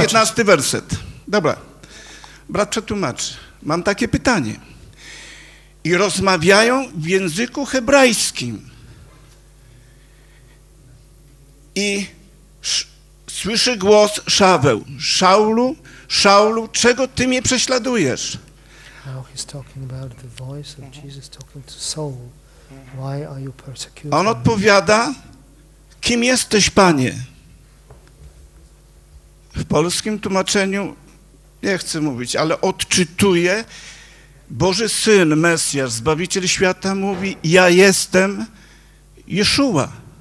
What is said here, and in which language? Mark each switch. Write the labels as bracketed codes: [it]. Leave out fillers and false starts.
[pl] 15 werset. Dobra. Brat przetłumaczy. Mam takie pytanie. I rozmawiają w języku hebrajskim. I słyszy głos Szaweł. Szaulu, Szaulu, czego ty mnie prześladujesz? [en] Now he's talking about the voice of Jesus talking to Saul. Why are you persecuting? [pl] On odpowiada, kim jesteś, Panie? W polskim tłumaczeniu nie chcę mówić, ale odczytuję, Boży Syn, Mesjasz, Zbawiciel Świata mówi, ja jestem Jeszua.